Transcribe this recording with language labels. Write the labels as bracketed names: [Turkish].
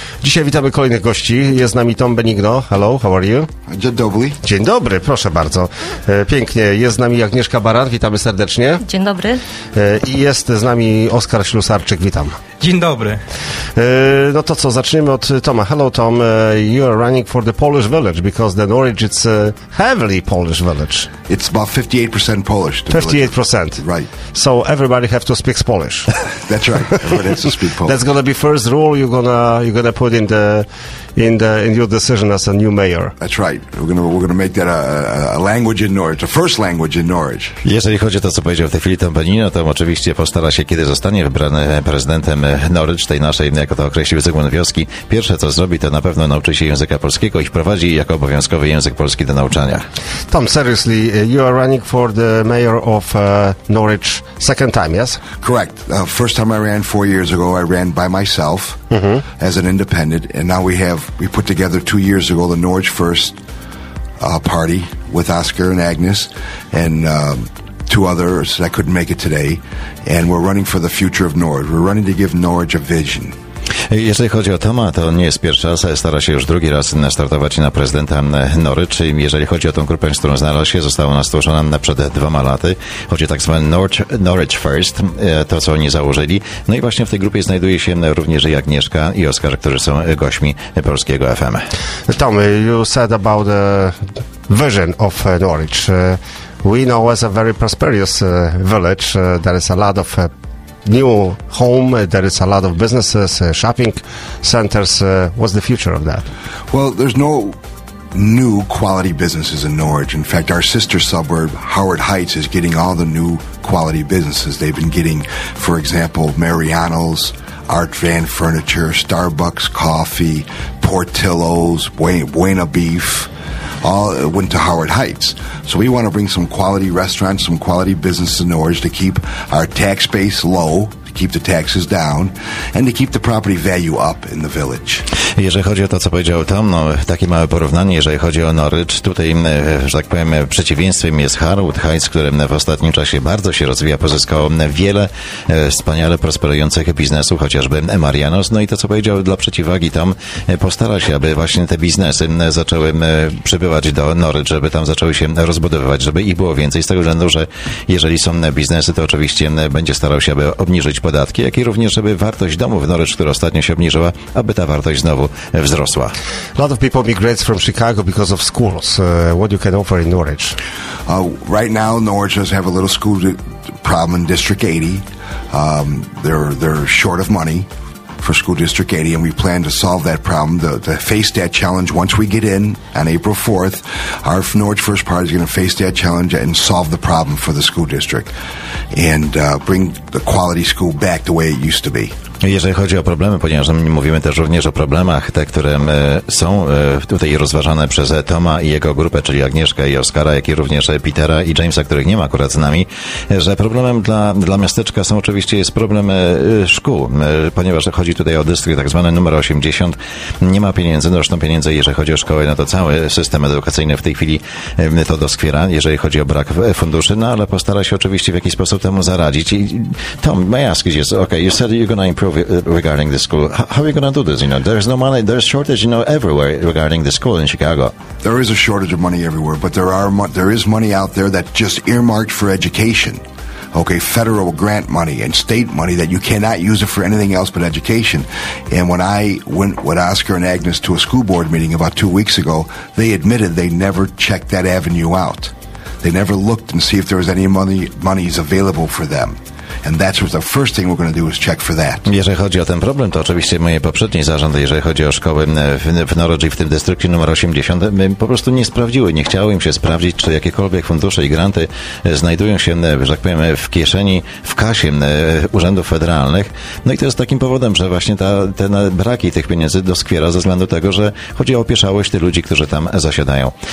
[Polish] Dzisiaj witamy kolejnych gości. Jest z nami Tom Benigno. [English] Hello, how are you? [Polish] Dzień dobry. Dzień dobry, proszę bardzo. Pięknie. Jest z nami Agnieszka Baran. Witamy serdecznie. Dzień dobry. I jest z nami Oskar Ślusarczyk. Witam. Dzień dobry. No to co, zaczniemy od Toma. [English] Hello Tom, you are running for the Polish village because the Norwich is a heavily Polish village. It's about 58% Polish. 58%. Village. Right. So everybody have to speak Polish. That's right. Everybody has to speak Polish. That's gonna be first rule you're gonna put in your decision as a new mayor. That's right. We're gonna make that a language in Norwich, a first language in Norwich. [Polish] Jeżeli chodzi o to, co powiedział w tej chwili Tom Benigno, to oczywiście postara się, kiedy zostanie wybrany prezydentem Norwich, tej naszej, jak to określił Zygmunt Wioski. Pierwsze, co zrobi, to na pewno nauczy się języka polskiego i wprowadzi jako obowiązkowy język polski do nauczania. [English] Tom, seriously, you are running for the mayor of Norwich second time, yes? Correct. First time I ran 4 years ago, I ran by myself as an independent, and now we put together 2 years ago the Norwich First party with Oscar and Agnes and two others that couldn't make it today, and we're running for the future of Norwich. We're running to give Norwich a vision. [Polish] Jeżeli chodzi o Toma, to on nie jest pierwszy raz, stara się już drugi raz startować na prezydenta Norwich. Jeżeli chodzi o tą grupę, z którą znalazł się, została ona stworzona przed 2 laty. Chodzi o tak zwany Norwich First, to co oni założyli. No i właśnie w tej grupie znajduje się również i Agnieszka, i Oskar, którzy są gośćmi polskiego FM. [English] Tom, you said about the vision of Norwich. We know as a very prosperous village, there is a lot of new home, there is a lot of businesses, shopping centers. What's the future of that? Well, there's no new quality businesses in Norwich. In fact, our sister suburb, Howard Heights, is getting all the new quality businesses. They've been getting, for example, Mariano's, Art Van Furniture, Starbucks Coffee, Portillo's, Buena Beef. All went to Howard Heights. So we want to bring some quality restaurants, some quality business to Norwich to keep our tax base low, to keep the taxes down, and to keep the property value up in the village. [Polish] Jeżeli chodzi o to, co powiedział Tom, no takie małe porównanie, jeżeli chodzi o Norwich, tutaj, że tak powiem, przeciwieństwem jest Harwood Heights, którym w ostatnim czasie bardzo się rozwija, pozyskało wiele wspaniale prosperujących biznesów, chociażby Marianos. No i to, co powiedział dla przeciwwagi Tom, postara się, aby właśnie te biznesy zaczęły przybywać do Norwich, żeby tam zaczęły się rozbudowywać, żeby ich było więcej, z tego względu, że jeżeli są biznesy, to oczywiście będzie starał się, aby obniżyć podatki, jak i również, żeby wartość domu w Norwich, która ostatnio się obniżyła, aby ta wartość znowu wzrosła. [English] A lot of people migrate from Chicago because of schools. What you can offer in Norwich? Right now, Norwich does have a little school problem in District 80. They're short of money for school District 80, and we plan to solve that problem, to face that challenge once we get in on April 4th. Our Norwich First Party is going to face that challenge and solve the problem for the school district and bring the quality school back the way it used to be. [Polish] Jeżeli chodzi o problemy, ponieważ my mówimy też również o problemach, te, które są tutaj rozważane przez Toma i jego grupę, czyli Agnieszkę i Oskara, jak i również Petera i Jamesa, których nie ma akurat z nami, że problemem dla miasteczka są oczywiście jest problem szkół, ponieważ chodzi tutaj o dystrykt tak zwany numer 80. Nie ma pieniędzy, zresztą pieniędzy, jeżeli chodzi o szkoły, no to cały system edukacyjny w tej chwili to doskwiera, jeżeli chodzi o brak funduszy, no ale postara się oczywiście w jakiś sposób temu zaradzić. I [English] Tom, may I ask you, okay, you said you're going to improve regarding the school. How are you going to do this? You know, there's no money. There's shortage, you know, everywhere regarding the school in Chicago. There is a shortage of money everywhere, but there is money out there that just earmarked for education. Okay, federal grant money and state money that you cannot use it for anything else but education. And when I went with Oscar and Agnes to a school board meeting about 2 weeks ago, they admitted they never checked that avenue out. They never looked and see if there was any monies available for them. And that's what the first thing we're going to do is check for that. [Polish] Jeżeli chodzi o ten problem, to oczywiście moje poprzednie zarządy, jeżeli chodzi o szkoły w Norwich i w tym dystrykcie numer 80, my po prostu nie sprawdziły, nie chciało im się sprawdzić, czy jakiekolwiek fundusze i granty znajdują się, że tak powiem, w kieszeni, w kasie urzędów federalnych. No i to jest takim powodem, że właśnie te braki tych pieniędzy doskwiera ze względu tego, że chodzi o opieszałość tych ludzi, którzy tam zasiadają.